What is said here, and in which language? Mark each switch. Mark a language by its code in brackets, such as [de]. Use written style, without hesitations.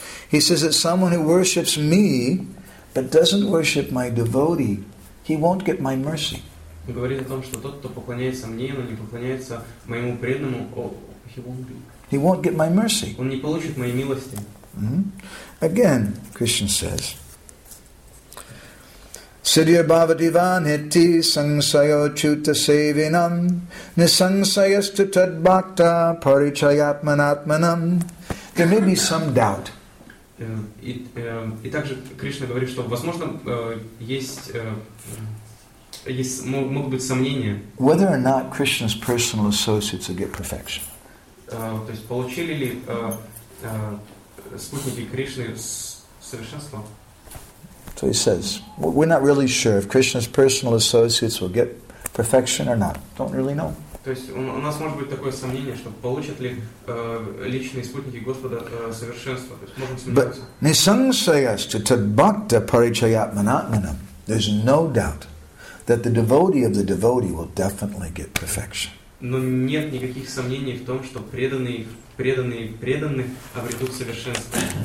[en] He says that someone who worships me but doesn't worship my devotee, he won't get my mercy. [ru] Он говорит о том, что тот, кто поклоняется мне, но не поклоняется моему преданному, [en] he won't get my mercy. [ru] Он не получит моей милости. [en] Again, Krishna says, [sa] Siddhya bhava divaniti sangsayo chuta sevinam nisangsayas tutad bhakta parichayatmanatmanam. [en] There may be some doubt. [ru] И также Кришна говорит, что возможно есть могут быть сомнения. [en] Whether or not Krishna's personal associates will get perfection. [ru] То есть получили ли спутники Кришны совершенство? [en] So he says, we're not really sure if Krishna's personal associates will get perfection or not. Don't really know. [ru] То есть у нас может быть такое сомнение, что получат ли личные спутники Господа совершенство. [en] But [sa] nisangsayas tutad bhakta parichayatmanatmanam. [en] There's no doubt that the devotee of the devotee will definitely get perfection. [ru] Но нет никаких сомнений в том, что преданные преданных обретут совершенство.